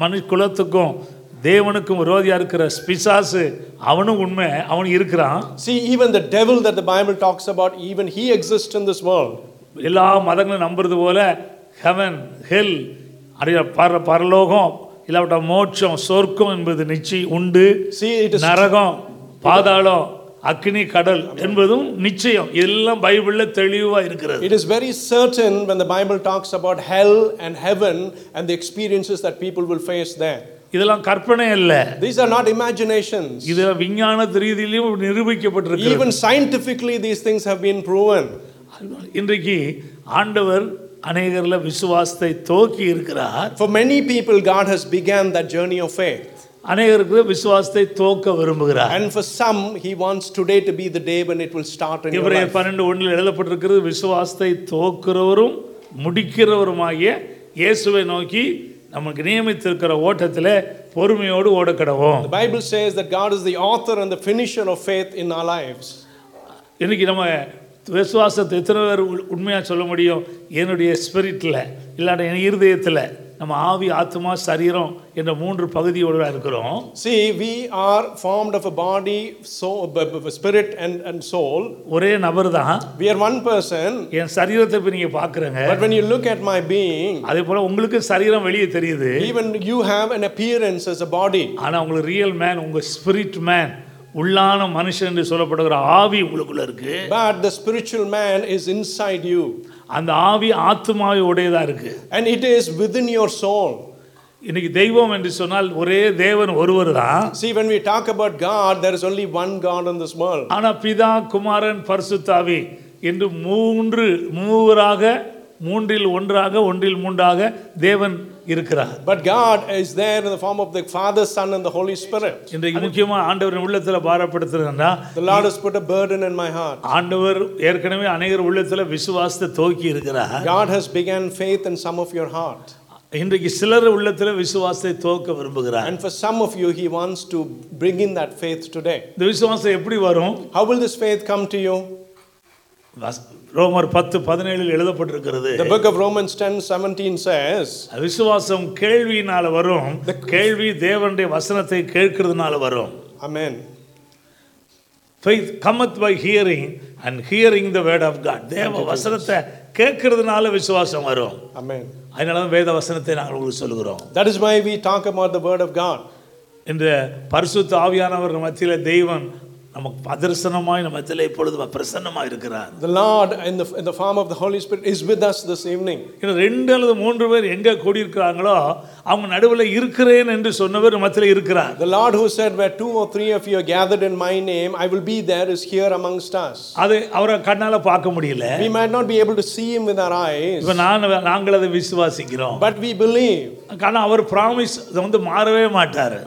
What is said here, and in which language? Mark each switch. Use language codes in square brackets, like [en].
[ta] குலத்துக்கும் தேவனுக்கும் விரோதியா இருக்கிற பிசாசு அவனும் உண்மை, அவன் இருக்கிறான். [en] See, even the devil that the Bible talks about, even he exists in this world. [ta] எல்லா மதங்களும் நம்புறது போல ஹெவன், ஹெல், அப்படியே பரலோகம், இல்லாவிட்ட மோட்சம், சொர்க்கம் என்பது நிச்சயம் உண்டு. [en] See, it is [ta] நரகம், பாதாளம், அக்னி, கடல் என்பதும் நிச்சயம். இதெல்லாம் பைபிள்ல தெளிவா இருக்கிறது. [en] It is very certain when the Bible talks about hell and heaven and the experiences that people will face there. [ta] இதெல்லாம் கற்பனை அல்ல. [en] These are not imaginations. [ta] இது விஞ்ஞான ரீதியிலும் நிரூபிக்கப்பட்டிருக்கு. [en] Even scientifically these things have been proven. [ta] இன்றைக்கு ஆண்டவர் அநேகர்ல விசுவாசத்தை தோக்கி இருக்கிறார். [en] For many people God has began that journey of faith. [ta] அநேகருக்கு விசுவாசத்தை தோக்க விரும்புகிறார். [en] And for some, he wants today to be the day when it will start in your life. [ta] 12:1 எழுதப்பட்டிருக்கிறது, விசுவாசத்தை தோக்கிறவரும் முடிக்கிறவருமாகிய இயேசுவை நோக்கி நமக்கு நியமித்திருக்கிற ஓட்டத்திலே பொறுமையோடு ஓடக்கடவோம். [en] The Bible says that God is the author and the finisher of faith in our lives. [ta] இன்னைக்கு நம்ம விசுவாசத்தை எத்தனை பேர் உண்மையா சொல்ல முடியும்? என்னுடைய ஸ்பிரிட்ல, இல்லாட என் இருதயத்துல, நம்ம ஆவி, ஆத்மா, சரீரம் என்ற மூன்று பகுதியோட இருக்கிறோம். [en] See, we are formed of a body, soul, spirit and soul. [ta] ஒரே நபர் தான். [en] We are one person. [ta] என் சரீரத்தை நீங்க பாக்குறீங்க. [en] But when you look at my being, [ta] அதே போல உங்களுக்கு சரீரம் வெளியே தெரியுது. [en] Even you have an appearance as a body. [ta] ஆனா உங்களுக்கு ரியல் மேன், உங்க ஸ்பிரிட் மேன், உள்ளான மனுஷன் என்று சொல்லப்படுகிற ஆவி உங்களுக்குள்ள இருக்கு. [en] But the spiritual man is inside you. [ta] அந்த ஆவி ஆத்மாவை உடையதா இருக்கு. [en] And it is within your soul. [ta] இன்னைக்கு தெய்வம் என்று சொன்னால் ஒரே தேவன் ஒருவர் தான். [en] See, when we talk about God, there is only one God in this world. [ta] ஆனா பிதா, குமாரன், பரிசுத்தாவி என்று மூன்று, மூவராக, மூன்றில் ஒன்றாக, ஒன்றில் மூன்றாக தேவன் இருக்கிறார். [en] But God is there in the form of the Father, Son and the Holy Spirit. [ta] இன்றைக்கு முக்கியமா ஆண்டவரின் உள்ளத்துல பாரப்படுத்துறதுன்னா, [en] The Lord has put a burden in my heart. [ta] ஆண்டவர் ஏற்கனவே அநேகர் உள்ளத்துல விசுவாசத்தை தோக்கி இருக்கிறார். [en] God has begun faith in some of your heart. [ta] இன்றைக்கு சிலர் உள்ளத்துல விசுவாசத்தை தோக்க விரும்புகிறார். [en] And for some of you, he wants to bring in that faith today. [ta] இந்த விசுவாசம் எப்படி வரும்? [en] How will this faith come to you? [ta] ரோமர் 10:17 எழுதப்பட்டிருக்கிறது. [en] The book of Romans 10:17 says, [ta] விசுவாசம் கேள்வியினால வரும், கேள்வி தேவனுடைய வசனத்தை கேட்கிறதுனால வரும். [en] Amen. Faith cometh by hearing and hearing the word of God. [ta] தேவ வசனத்தை கேட்கிறதுனால விசுவாசம் வரும். [en] Amen. [ta] அதனால தான் வேத வசனத்தை நாங்கள் உங்களுக்கு சொல்கிறோம். [en] That is why we talk about the word of God. [ta] இந்த பரிசுத்த ஆவியானவர் மத்தியில் தேவன் நமக்கு பதரிசனமாய் நம்மத்தில் இப்பொழுது பிரசன்னமாக இருக்கிறார். [en] The Lord in the form of the Holy Spirit is with us this evening. [ta] இந்த ரெண்டு அல்லது மூன்று பேர் எங்கே கூடியிருக்கிறாங்களோ அவங்க நடுவில் இருக்கிறேன் என்று சொன்னவர் நம்மத்தில் இருக்கிறார். [en] The Lord who said where two or three of you are gathered in my name, I will be there is here amongst us. [ta] அது அவரை கண்ணால் பார்க்க முடியல. [en] We might not be able to see him with our eyes. [ta] இப்போ நாங்கள் அதை விசுவாசிக்கிறோம். [en] But we believe. [ta] ஆனால் அவர் ப்ராமிஸ் வந்து மாறவே மாட்டார்.